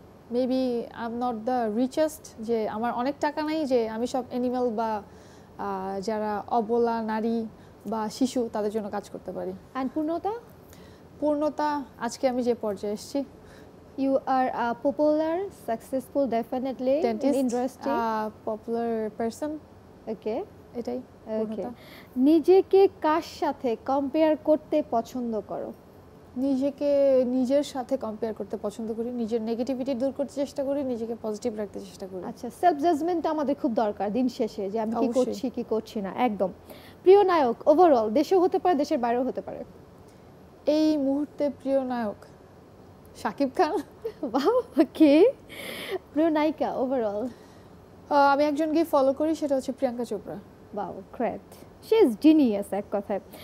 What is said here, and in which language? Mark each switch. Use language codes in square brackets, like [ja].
[en] Maybe I'm not the richest. [bn] Je amar onek taka nai je ami shob animal ba যারা অবলা নারী বা শিশু তাদের জন্য কাজ করতে পারি এন্ড পূর্ণতা পূর্ণতা আজকে আমি যে পর্যায়ে এসেছি [en] you are a popular successful definitely industry a popular person okay [bn] এটাই ওকে নিজেকে কার সাথে কম্পেয়ার করতে পছন্দ করো নিজেকে নিজের সাথে কম্পেয়ার করতে পছন্দ করি নিজের নেগেটিভিটি দূর করতে চেষ্টা করি নিজেকে পজিটিভ রাখতে চেষ্টা করি আচ্ছা সেলফ জাজমেন্ট আমাদের খুব দরকার দিন শেষে যে আমি কি করছি না একদম প্রিয় নায়ক ওভারঅল দেশে হতে পারে দেশের বাইরেও হতে পারে এই মুহূর্তে প্রিয় নায়ক সাকিব খান ওয়াও ওকে প্রিয় নায়িকা ওভারঅল আমি একজনকে ফলো করি সেটা হচ্ছে Priyanka Chopra [en] wow great She is genius, [bn] ek kothay.